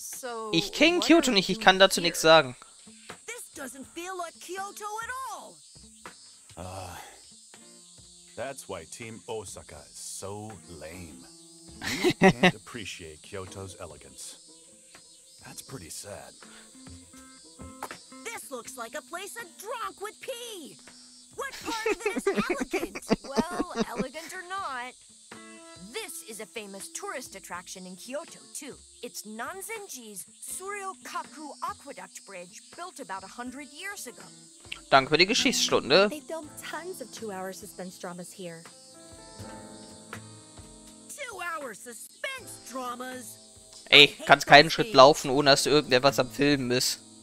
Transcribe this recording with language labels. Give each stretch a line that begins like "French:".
German: So ich kenne Kyoto nicht, ich kann dazu nichts sagen.
English: This doesn't feel like Kyoto at all. That's why Team Osaka is so lame. You can't appreciate Kyoto's elegance. That's pretty sad. This looks like a place a drunk would pee. What part of it is elegant? Well, elegant or not, this is a famous tourist attraction in Kyoto too. It's Nanzenji's Suryokaku Aqueduct Bridge, built about 100 years ago.
German: Danke für die Geschichtsstunde.
English: They filmed tons of two-hour suspense dramas here. Two-hour suspense dramas.
German: Ey, kannst keinen Schritt laufen, ohne dass irgendwer was am Filmen ist.